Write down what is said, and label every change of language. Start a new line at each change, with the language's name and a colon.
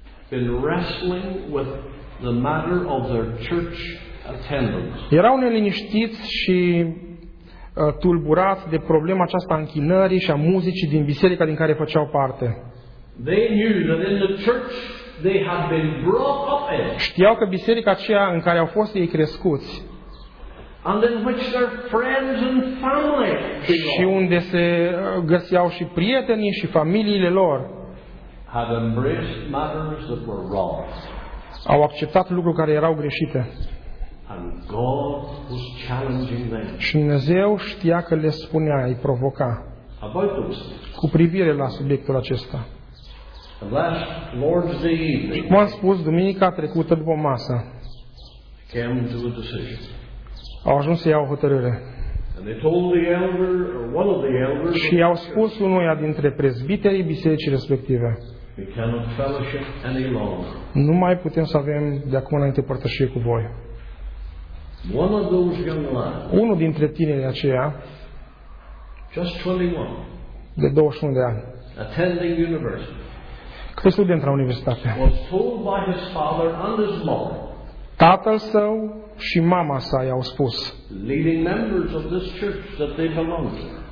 English: been wrestling with the matter of their church attendance.
Romanian: Erau neliniștiți și tulburați de problema aceasta a închinării și a muzicii din biserica din care făceau parte.
English: They knew that in the church they had been brought up in.
Romanian: Știau că biserica aceea în care au fost ei crescuți.
English: And in which their friends and family.
Romanian: Și unde se găseau și prietenii și familiile lor.
English: Had embraced matters that were wrong.
Romanian: Au acceptat lucruri care erau greșite.
English: And God was challenging them.
Romanian: Și Dumnezeu știa că le spunea, îi provoca.
English: about those.
Romanian: Cu privire la subiectul acesta.
English: Last Lord's evening.
Romanian: M-am spus duminica trecută după masă.
English: Came to a decision.
Romanian: Au ajuns să iau o hotărâre.
English: And they told the elder or one of the elders.
Romanian: Și au spus unuia dintre prezbiterii bisericii respective.
English: We cannot fellowship any longer.
Romanian: Nu mai putem să avem de acum înainte părtășie cu voi.
English: One of those young lads.
Romanian: Unul dintre tinerii aceia.
English: Just 21.
Romanian: De 21 de ani.
English: Attending university.
Romanian: Că student la universitate.
English: Was told by his father and his mother.
Romanian: Tatăl său și mama sa i-au spus.
English: Leading members of this church that they belong to.